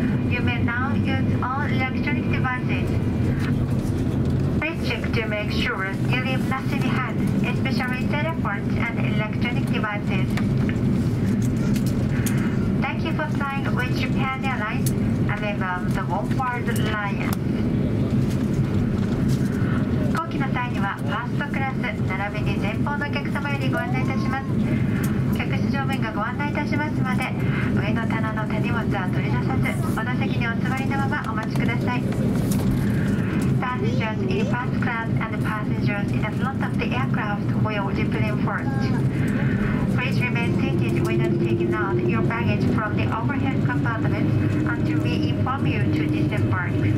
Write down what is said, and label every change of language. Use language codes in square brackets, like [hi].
[en] You may now use all electronic devices. Please check to make sure you leave nothing behind, especially cell phones and electronic devices. Thank you for flying with Japan Airlines, a member of the One World Alliance. [ja] 航機の際には、ファーストクラス並びに前方のお客様よりご案内いたします。客室乗務員がご案内いたしますまで上の棚の手荷物は取り出さずお座席にお座りのままお待ちください。 [en] Passengers in first class and passengers in the front of the aircraft will dip in first. Please remain seated without taking out your baggage from the overhead compartment until we inform you to disembark.